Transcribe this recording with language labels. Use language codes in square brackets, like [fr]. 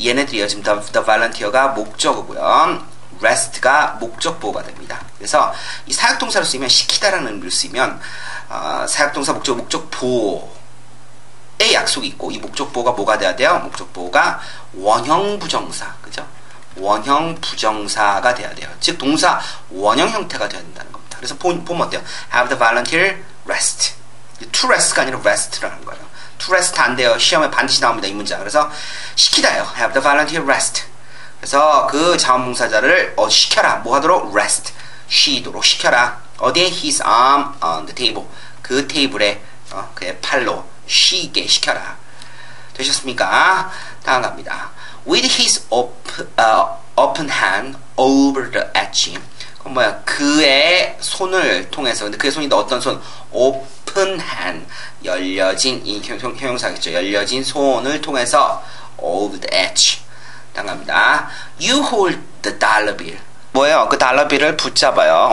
[ko] 얘네들이요. 지금 the volunteer가 목적어고요. rest가 목적 보호가 됩니다. 그래서 이 사역동사로 쓰이면 시키다라는 의미로 쓰이면 사역동사 목적 목적 보호의 약속이 있고 이 목적 보호가 뭐가 돼야 돼요? 목적 보호가 원형 부정사. 그죠? 원형 부정사가 돼야 돼요. 즉 동사 원형 형태가 돼야 된다는 겁니다. 그래서 보면 어때요? [en] Have the volunteer rest. To rest [ko] 가 아니라 rest라는 거예요. [en] To rest [ko] 안 돼요. 시험에 반드시 나옵니다. 이 문장. 그래서 시키다요. [en] Have the volunteer rest. [ko] 그래서 그 자원봉사자를 시켜라. 뭐 하도록? Rest. 쉬도록 시켜라. 어디에? [en] His arm on the table. [ko] 그 테이블에 그의 팔로 쉬게 시켜라. 되셨습니까? 다음 갑니다. [en] With his open hand over the etching. [ko] 뭐야, 그의 손을 통해서, 근데 그의 손이 어떤 손? open hand. 열려진, 이 형용사겠죠. 열려진 손을 통해서 [en] over the edge. [ko] 당합니다. [en] You hold the dollar bill. [ko] 뭐예요? 그 dollar bill을 붙잡아요.